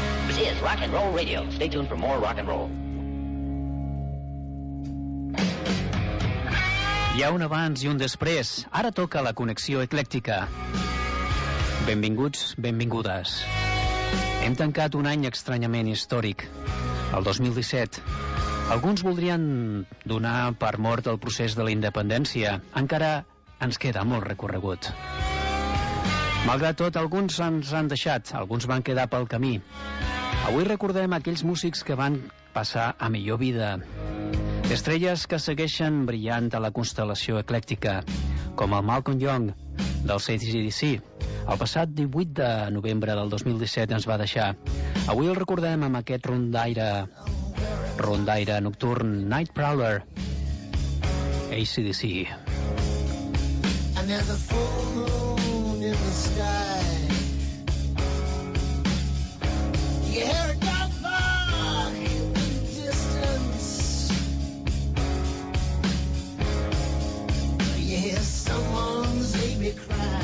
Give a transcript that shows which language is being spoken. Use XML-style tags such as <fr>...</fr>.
<en>This is Rock and Roll Radio. Stay tuned for more rock and roll.</en> <ca>Hi ha un abans i un després. Ara toca la connexió eclèctica. Benvinguts, benvingudes. Hem tancat un any estranyament històric, el 2017. Alguns voldrien donar per mort el procés de la independència. Encara ens queda molt recorregut. Malgrat tot, alguns ens han deixat, alguns van quedar pel camí. Avui recordem aquells músics que van passar a millor vida. Estrelles que segueixen brillant a la constel·lació eclèctica, com el Malcolm Young, del AC/DC. El passat 18 de novembre del 2017 ens va deixar. Avui el recordem amb aquest rondaire nocturn, Night Prowler, AC/DC.</ca> <en>And there's a full moon in the sky. You hear a gunfire in the distance. You hear someone's baby cry.</en>